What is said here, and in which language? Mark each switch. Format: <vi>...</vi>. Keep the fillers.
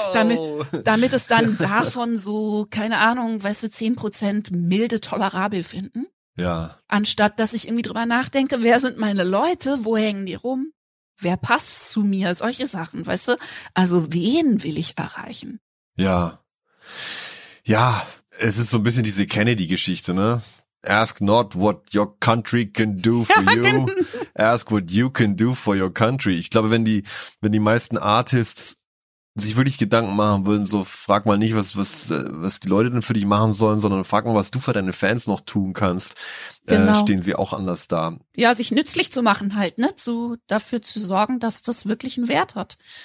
<de>damit, damit es dann davon so, keine Ahnung, weißt du, 10% milde tolerabel finden. ja, Anstatt, dass ich irgendwie drüber nachdenke, wer sind meine Leute, wo hängen die rum, wer passt zu mir, solche Sachen, weißt du? Also wen will ich erreichen? ja. Ja, es ist so ein bisschen diese Kennedy-Geschichte, ne?</de> <en>Ask not what your country can do for you. Ask what you can do for your country.</en> <de>Ich glaube, wenn die, wenn die meisten Artists sich wirklich Gedanken machen würden, so frag mal nicht, was, was, äh, was die Leute denn für dich machen sollen, sondern frag mal, was du für deine Fans noch tun kannst, äh, Genau. stehen sie auch anders da. Ja, sich nützlich zu machen halt, ne? Zu, dafür zu sorgen, dass das wirklich einen Wert hat.</de>